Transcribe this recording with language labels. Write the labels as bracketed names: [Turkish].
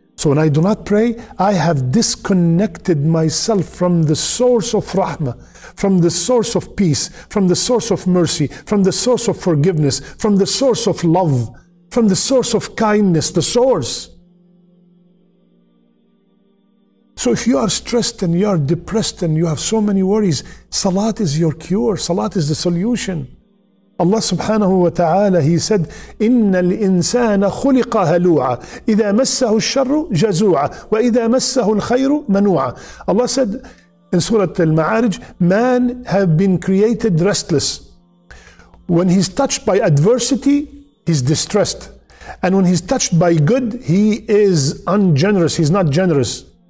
[English] So when I do not pray, I have disconnected myself from the source of rahmah, from the source of peace, from the source of mercy, from the source of forgiveness, from the source of love, from the source of kindness, the source. So if you are stressed and you are depressed and you have so many worries, salat is your cure, salat is the solution. [Arabic] Allah subhanahu wa ta'ala, [English] He said, [Arabic] إِنَّ الْإِنسَانَ خُلِقَ هَلُوعًا إِذَا مَسَّهُ الشَّرُّ جَزُوعًا وَإِذَا مَسَّهُ الْخَيْرُ مَنُوعًا. [English] Allah said in Surah Al-Ma'arij, man have been created restless. When he's touched by adversity, he's distressed. And when he's touched by good, he is ungenerous, he's not generous.